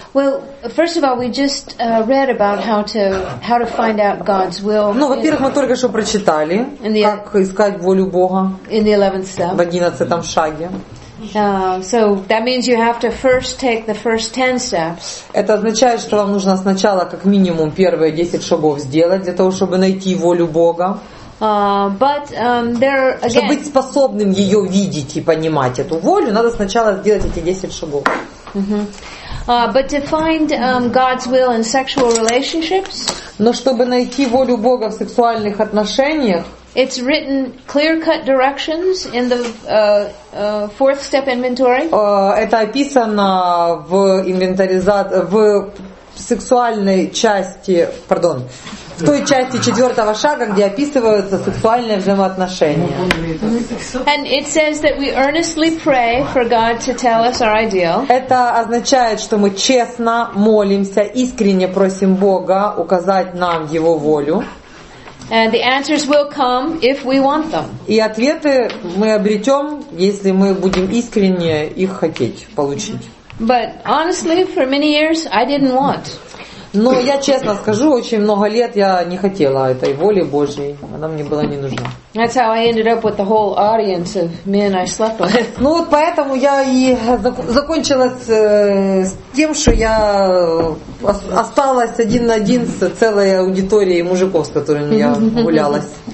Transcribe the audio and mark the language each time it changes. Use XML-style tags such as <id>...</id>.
<en>Well, first of all, we just read about how to find out God's will.</en> <ru>Ну, во-первых, мы только что прочитали, как искать волю Бога.</ru> <en>In the 11th step.</en> <ru>В 11-м шаге.</ru> <en>So that means you have to first take the first 10 steps.</en> <ru>Это означает, что вам нужно сначала как минимум первые 10 шагов сделать для того, чтобы найти волю Бога.</ru> <en>There, again,</en> <ru>чтобы быть способным ее видеть и понимать эту волю, надо сначала сделать эти 10 шагов.</ru> <en>But to find God's will in sexual relationships.</en> <ru>Но чтобы найти волю Бога в сексуальных отношениях.</ru> <en>It's written clear-cut directions in the fourth step inventory.</en> <ru>Это описано в сексуальной части, пардон, в той части четвертого шага, где описываются сексуальные взаимоотношения.</ru> <en>And it says that we earnestly pray for God to tell us our ideal.</en> <ru>Это означает, что мы честно молимся, искренне просим Бога указать нам Его волю.</ru> <en>And the answers will come if we want them.</en> <ru>И ответы мы обретем, если мы будем искренне их хотеть получить.</ru> <en>But honestly, for many years, I didn't want.</en> <ru>Но я честно скажу, очень много лет я не хотела этой воли Божьей. Она мне была не нужна.</ru> <en>That's how I ended up with the whole audience of men I slept with.</en> <ru>Ну вот поэтому я и закончилась с тем, что я осталась один на один с целой аудиторией мужиков, с которыми я гулялась.</ru>